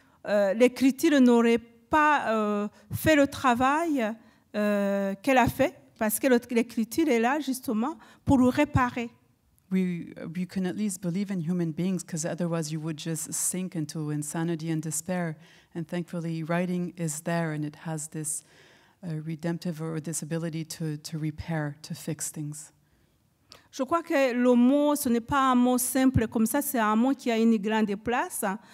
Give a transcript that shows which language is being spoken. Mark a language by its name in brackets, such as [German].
[French] L'écriture n'aurait pas fait le travail qu'elle a fait, parce que l'écriture est là justement pour le réparer. [English] We can at least believe in human beings, because otherwise you would just sink into insanity and despair. And thankfully, writing is there, and it has this redemptive or this ability to repair, to fix things. [French] Je crois que le mot, ce n'est pas un mot simple comme ça, c'est un mot qui a une grande place.